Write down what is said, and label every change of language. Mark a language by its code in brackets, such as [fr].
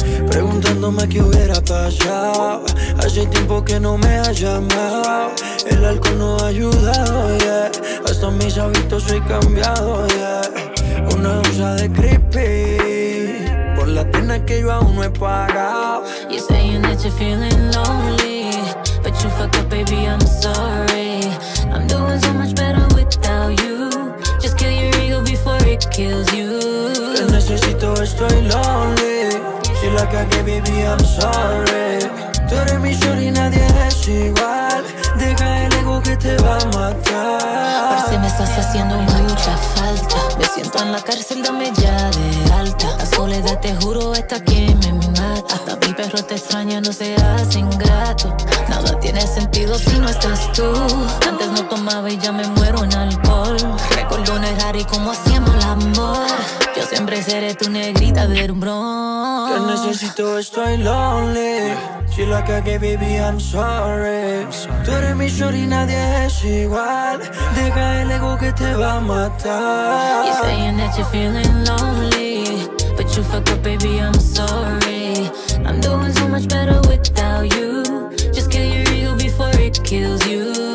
[es] Preguntándome qué hubiera pasado. Hace tiempo que no me has llamado. El alcohol no ha ayudado, yeah. Hasta mis hábitos he cambiado, yeah. Una dosa de creepy por la pena que yo aún no he pagado. [en] You're saying that you're feeling lonely, but you fuck up, baby, I'm sorry. I'm doing so much better without you. Just kill your ego before it kills you. [es] Te necesito, estoy lonely. Si la cagué, [en] baby, I'm sorry. [es] Tú eres mi sol y nadie es igual. Deja el ego que te va a matar. Por si me estás haciendo mucha falta. Me siento en la cárcel, dame ya de alta. La soledad, te juro, está que me mata. Hasta mi perro te extraña, no seas ingrato. Nada tiene sentido si no estás tú. Antes no tomaba y ya me muero en alcohol. Recuerdo un error y cómo hacíamos el amor. Yo siempre seré tu negrita del bronce. Te necesito, estoy lonely. Si la cagué, [en] baby, I'm sorry. [es] Tú eres mi shorty, nadie es igual. Deja el ego que te va a matar. [en] You're saying that you're feeling lonely, but you fuck up, baby, I'm sorry. I'm doing so much better without you. Just kill your ego before it kills you.